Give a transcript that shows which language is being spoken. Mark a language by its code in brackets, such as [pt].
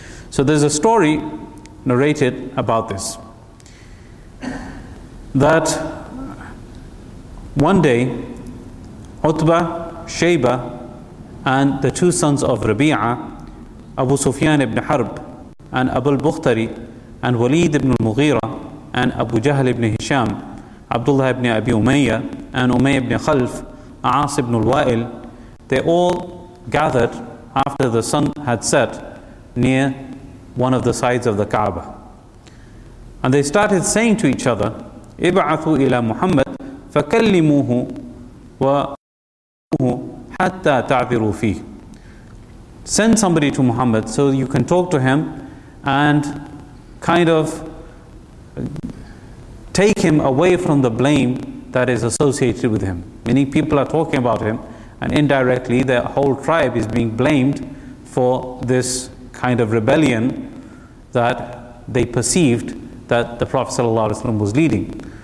[en] So there's a story narrated about this, that one day, Utbah, Shaybah, and the two sons of Rabi'ah, Abu Sufyan ibn Harb, and Abu al-Bukhtari, and Walid ibn al-Mughira, and Abu Jahl ibn Hisham, Abdullah ibn Abi Umayyah, and Umayyah ibn Khalf, Aas ibn al-Wa'il, they all gathered after the sun had set near one of the sides of the Kaaba. And they started saying to each other, [ar] إِبْعَثُوا إِلَى مُحَمَّدْ فَكَلِّمُوهُ وَأَمُّهُ حَتَّى تَعْذِرُوا فِيهِ. [en] Send somebody to Muhammad so you can talk to him and kind of take him away from the blame that is associated with him. Many people are talking about him, and indirectly their whole tribe is being blamed for this kind of rebellion that they perceived that the Prophet ﷺ was leading.